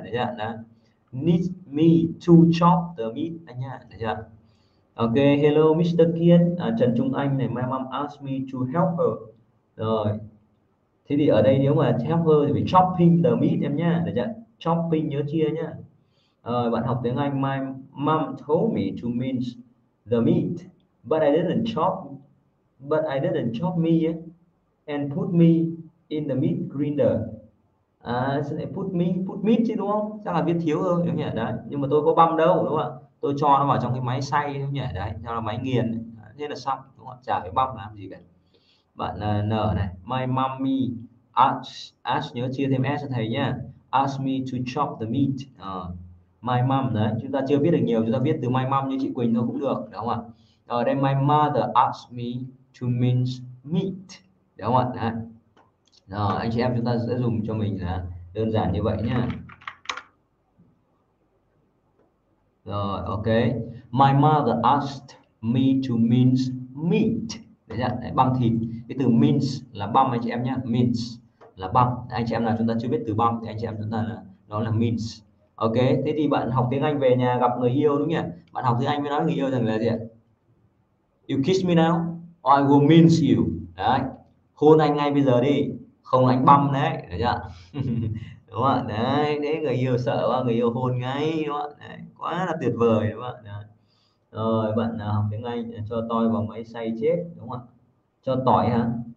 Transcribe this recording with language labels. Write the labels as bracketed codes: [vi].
[vi] Đấy chưa? Đó. [en] Needs me to chop the meat [vi] anh nhá. Đấy chưa? [en] Ok, hello Mr. Kiên, Trần Trung Anh này, my mom asked me to help her. Rồi. [vi] Thế thì ở đây nếu mà [en] help her [vi] thì phải [en] chopping the meat [vi] em nhá, được chưa? Chopping nhớ chia nhá. [en] Rồi, [vi] bạn học tiếng Anh, [en] my mom told me to mince the meat, but I didn't chop me and put me in the meat grinder. Put me [vi] chứ đúng không? Chắc là viết thiếu thôi, đúng nhỉ? Đấy. Nhưng mà tôi có băm đâu, đúng không ạ? Tôi cho nó vào trong cái máy xay đúng nhỉ? Đấy, cho nó máy nghiền. Thế là xong, đúng không ạ? Chả phải băm làm gì cả. Bạn nở này, [en] my mommy ask [vi] nhớ chia thêm s cho thầy nhá. [en] Ask me to chop the meat. My mom [vi] đấy, chúng ta chưa biết được nhiều, chúng ta viết từ [en] my mom [vi] như chị Quỳnh thôi cũng được, đúng không ạ? Rồi đây, [en] my mother asked me to mince meat. [vi] Đúng không ạ? Đấy. Rồi, anh chị em chúng ta sẽ dùng cho mình là đơn giản như vậy nhá. [en] Rồi, ok. My mother asked me to mince meat. [vi] Đấy ạ, đấy, băm thịt. Cái từ mince là băm anh chị em nhá. Mince là băm. Anh chị em nào chúng ta chưa biết từ băm thì anh chị em chúng ta là nó là mince. Ok, thế thì bạn học tiếng Anh về nhà gặp người yêu đúng không nhỉ? Bạn học tiếng Anh mới nói người yêu rằng là gì ạ? [en] You kiss me now or I will mince you. [vi] Đấy. Hôn anh ngay bây giờ đi, không anh băm đấy, được chưa? Đúng không ạ? Đấy, thế người yêu sợ quá, người yêu hôn ngay, đúng không ạ? Quá là tuyệt vời, đúng không ạ? Rồi, bạn nào học tiếng Anh cho tôi vào máy xay chết, đúng không ạ? Cho tỏi hả?